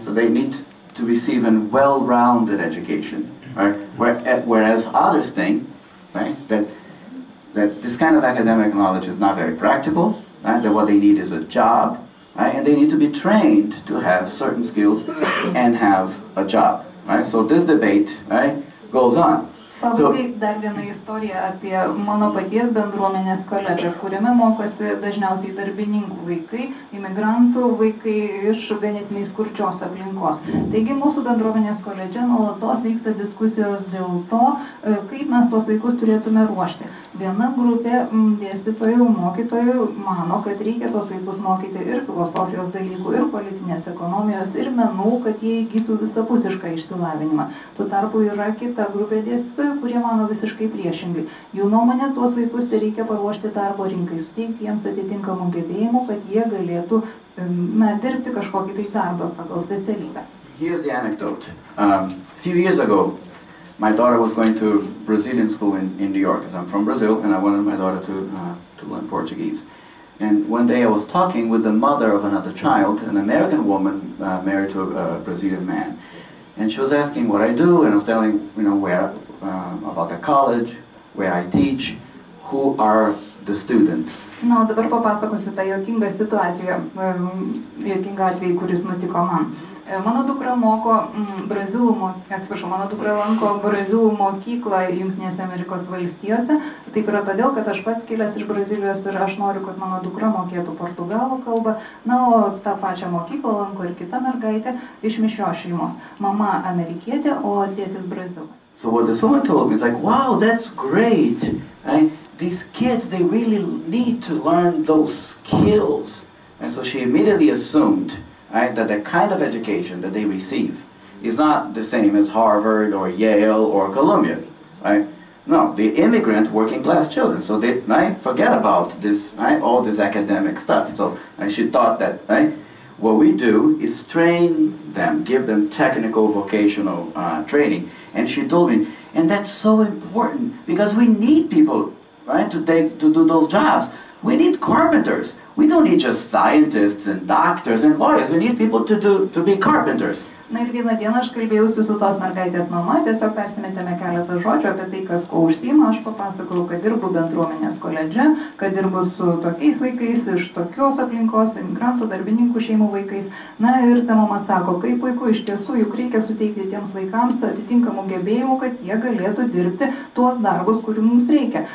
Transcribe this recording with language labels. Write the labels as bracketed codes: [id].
[en] So they need to receive a well-rounded education. Right? Whereas others think, right, that that this kind of academic knowledge is not very practical, right? That what they need is a job, right? And they need to be trained to have certain skills and have a job, right? So this debate, right, goes on. [lt] Pabaigai dar viena istorija apie mano paties bendruomenės koledžą, kuriame mokosi dažniausiai darbininkų vaikai, imigrantų vaikai iš ganėtinai skurčios aplinkos. Taigi mūsų bendruomenės koledžė nuolatos vyksta diskusijos dėl to, kaip mes tuos vaikus turėtume ruošti. Viena grupė dėstytojų, mokytojų mano, kad reikia tuos vaikus mokyti ir filosofijos dalykų, ir politinės ekonomijos, ir menų, kad jie įgytų visapusišką išsilavinimą. Tuo tarpu yra kita grupė dėstytojų, kurie mano visiškai priešingai. Jų nuomonė, tuos vaikus tai reikia paruošti darbo rinkai, suteikti jiems atitinkamų gebėjimų, kad jie galėtų dirbti kažkokį tai darbą pagal specialybę. [en] Here's the anecdote. Few years ago, my daughter was going to Brazilian school in New York, because I'm from Brazil, and I wanted my daughter to learn Portuguese. And one day I was talking with the mother of another child, an American woman married to a Brazilian man. And she was asking what I do, and I was telling, you know, where about the college, where I teach, who are the students. [lt] Na, dabar papasakosiu tą juokingą situaciją, juokingą atvejį, kuris nutiko man. Mano dukra lanko brazilų mokyklą Jungtinėse Amerikos valstijose. Taip yra todėl, kad aš pats kilęs iš Brazilijos ir aš noriu, kad mano dukra mokėtų portugalų kalbą. Na, o tą pačią mokyklą lanko ir kita mergaitė iš mišrios šeimos. Mama amerikietė, o tėtis brazilas. [en] So what this woman told me is like, wow, that's great. Right? These kids, they really need to learn those skills. And so she immediately assumed, right, that the kind of education that they receive is not the same as Harvard or Yale or Columbia. Right? No, the immigrant working class children. So they, right, forget about this, right, all this academic stuff. So she thought that, right, what we do is train them, give them technical vocational training. And she told me, and that's so important because we need people, right, to do those jobs. We need carpenters. We don't need just scientists and doctors and lawyers. We need people to be carpenters. [lt] Na ir vieną dieną aš kalbėjausi su tos mergaitės mama, tiesiog persimetėme keletą žodžių apie tai, kas ko užsiima. Aš papasakau, kad dirbu bendruomenės koledže, kad dirbu su tokiais vaikais, iš tokios aplinkos, imigrantų, darbininkų šeimų vaikais. Na ir ta mama sako, kaip puiku, iš tiesų juk reikia suteikti tiems vaikams atitinkamų gebėjimų, kad jie galėtų dirbti tuos darbus, kurių mums reikia.